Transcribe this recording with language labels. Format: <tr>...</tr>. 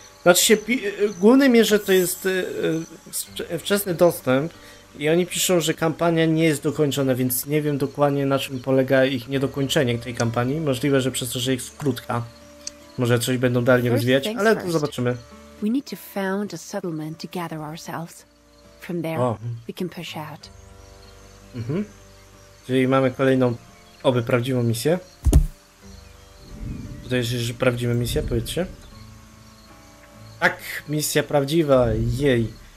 <pl>Znaczy się, w głównej mierze to jest wczesny dostęp i oni piszą, że kampania nie jest dokończona, więc nie wiem dokładnie na czym polega ich niedokończenie tej kampanii. Możliwe, że przez to, że jest krótka. Może coś będą dalej rozwijać, ale to zobaczymy.</pl> <en>We need to found a settlement to gather ourselves. From there, we can push out. Mhm.</en> <pl>Czyli mamy kolejną, oby prawdziwą misję. To jest już prawdziwa misja, powiedzcie. Tak, misja prawdziwa, jej.</pl>